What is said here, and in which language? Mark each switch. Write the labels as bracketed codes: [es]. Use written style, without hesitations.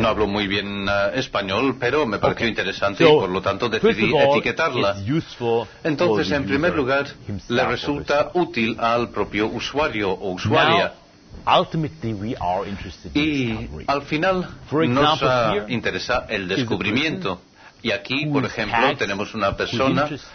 [es] No hablo muy bien español, pero me pareció interesante y por lo tanto decidí etiquetarla. Entonces, en primer lugar, le resulta útil al propio usuario o usuaria. [en] Ultimately, we are interested in discovery. [es] Y al final nos interesa el descubrimiento. Y aquí, por ejemplo, tenemos una persona